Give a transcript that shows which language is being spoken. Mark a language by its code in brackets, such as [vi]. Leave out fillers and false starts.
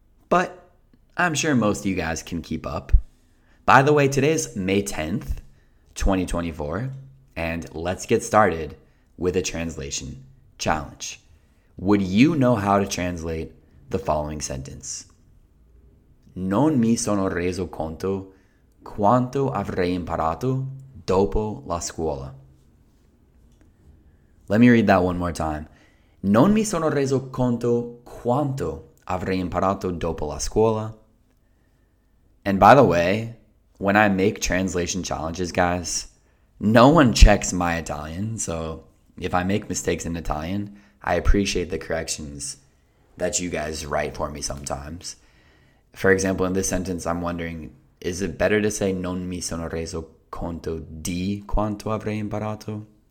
[en] But I'm sure most of you guys can keep up. By the way, today is May 10th, 2024. And let's get started with a translation challenge. Would you know how to translate the following sentence? [it] Non mi sono reso conto quanto avrei imparato dopo la scuola. [en] Let me read that one more time. [it] Non mi sono reso conto quanto avrei imparato dopo la scuola. [en] And by the way, when I make translation challenges, guys, no one checks my Italian. So if I make mistakes in Italian, I appreciate the corrections that you guys write for me sometimes. For example, in this sentence, I'm wondering, is it better to say [it] non mi sono reso conto di quanto avrei imparato?